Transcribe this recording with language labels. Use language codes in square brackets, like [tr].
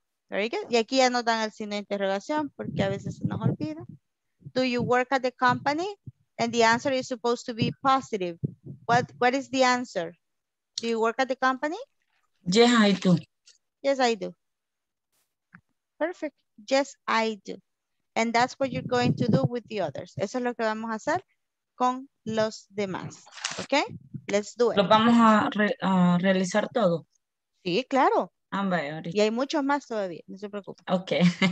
[en] Very good. [es] Y aquí ya no dan el signo de interrogación porque a veces se nos olvida. [en] Do you work at the company? And the answer is supposed to be positive. What is the answer? Do you work at the company? Yes, I do. Yes, I do. Perfect. Yes, I do. And that's what you're going to do with the others. [es] Eso es lo que vamos a hacer con los demás. [en] Okay? Let's do it. [es] Lo vamos a realizar todo. Sí, claro. Ambayori. Y hay muchos más todavía. No se preocupe. [en] Okay.